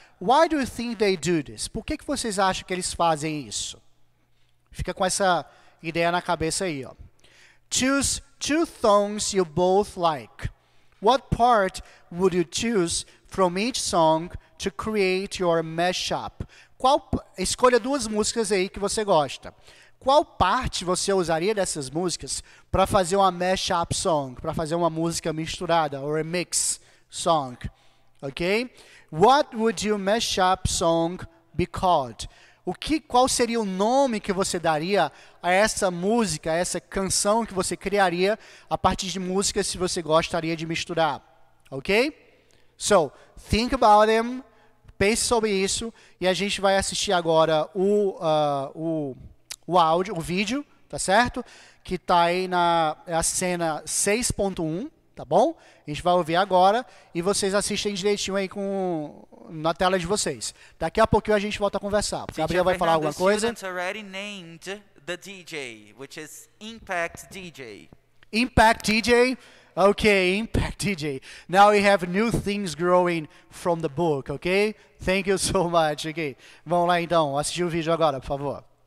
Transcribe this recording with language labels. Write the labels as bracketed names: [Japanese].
[English] Why do you think they do this? [Portuguese] Por que vocês acham que eles fazem isso? Fica com essa ideia na cabeça aí, ó. [English] choose two songs you both like. What part would you choose from each song to create your mashup? [Portuguese] Qual, escolha duas músicas aí que você gosta. Qual parte você usaria dessas músicas para fazer uma mashup song, para fazer uma música misturada, [English] or a mix song? Okay? What would your mashup song be called? [Portuguese] O que, qual seria o nome que você daria a essa música, a essa canção que você criaria a partir de músicas se você gostaria de misturar? [English] Okay? So, think about them. [Portuguese] Pense sobre isso e a gente vai assistir agora o áudio, o vídeo, tá certo? Que tá aí na a cena 6.1, tá bom? A gente vai ouvir agora e vocês assistem direitinho aí com, na tela de vocês. Daqui a pouquinho a gente volta a conversar. O Gabriel vai falar alguma coisa. [English] The students already named the DJ, which is Impact DJ. Impact DJ? Okay, Impact DJ. Now we have new things growing from the book, okay? Thank you so much, okay? [Portuguese] Vamos lá então, assistir o vídeo agora, por favor.